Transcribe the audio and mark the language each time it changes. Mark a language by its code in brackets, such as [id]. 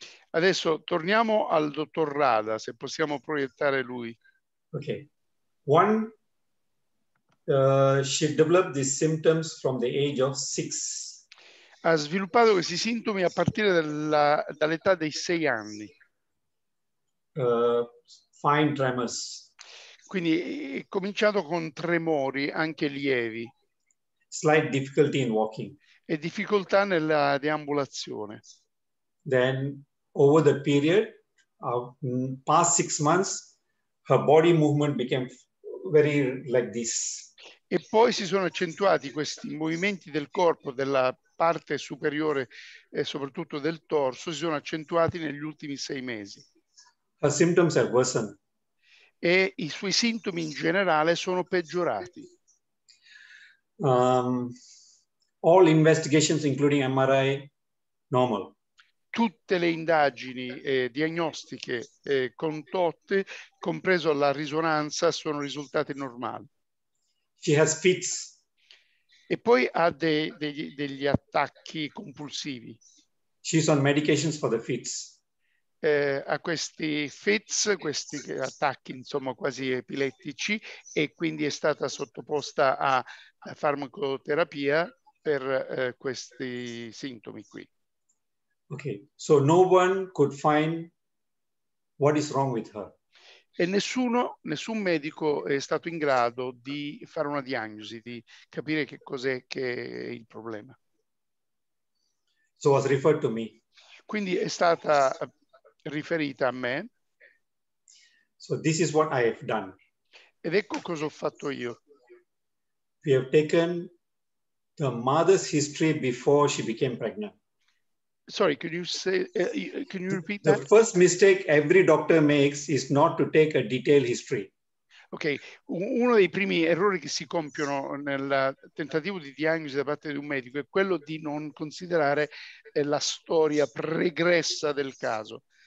[it] Adesso torniamo al dottor Rada, se possiamo proiettare lui. [en] Okay. One, she developed these symptoms from the age of 6. [it] Ha sviluppato questi sintomi a partire dall'età dei 6 anni. [en] Fine tremors. [it] Quindi è cominciato con tremori anche lievi. [en] Slight difficulty in walking. [it] E difficoltà nella deambulazione. [en] Then over the period of past 6 months her body movement became very like this. [it] E poi si sono accentuati questi movimenti del corpo, della parte superiore e soprattutto del torso, si sono accentuati negli ultimi 6 mesi. [en] Her symptoms have worsened. [it] E i suoi sintomi in generale sono peggiorati. [en] All investigations, including MRI, normal. [it] Tutte le indagini diagnostiche condotte, compreso la risonanza, sono risultate normali. [en] She has fits. [it] E poi ha degli attacchi compulsivi. [en] She's on medications for the fits. [it] A questi fits, questi attacchi insomma quasi epilettici, e quindi è stata sottoposta a farmacoterapia per questi sintomi qui. [en] Okay, so no one could find what is wrong with her. [it] E nessun medico è stato in grado di fare una diagnosi, di capire che cos'è che è il problema. [en] So was referred to me. [it] Quindi è stata riferita a me. [en] So this is what I have done. [it] Ed ecco cosa ho fatto io. [en] We have taken the mother's history before she became pregnant. Sorry, can you repeat the that? The first mistake every doctor makes is not to take a detailed history. [it] Okay, uno dei primi errori che si compiono nel tentativo di diagnosi da parte di un medico è quello di non considerare la storia pregressa del caso.